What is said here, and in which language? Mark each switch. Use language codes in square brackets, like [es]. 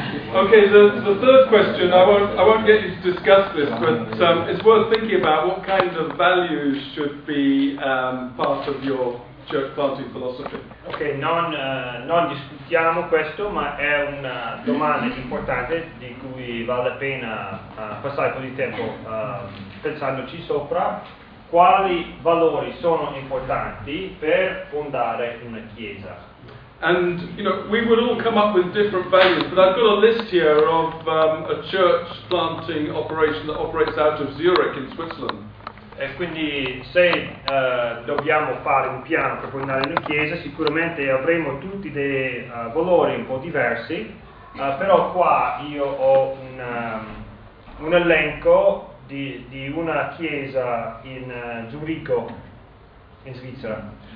[en] Okay, so the third question, I won't get you to discuss this, but it's worth thinking about what kind of values should be part of your church planting philosophy. [it] Okay, non discutiamo questo, ma è una domanda importante di cui vale la pena passare un po' di tempo pensandoci sopra. Quali valori sono importanti per fondare una chiesa? [en] And you know, we would all come up with different values, but I've got a list here of a church planting operation that operates out of Zurich in Switzerland. [it] E quindi se dobbiamo fare un piano per fondare una chiesa, sicuramente avremo tutti dei valori un po' diversi. Però qua io ho un elenco di una chiesa in Zurigo, in Svizzera.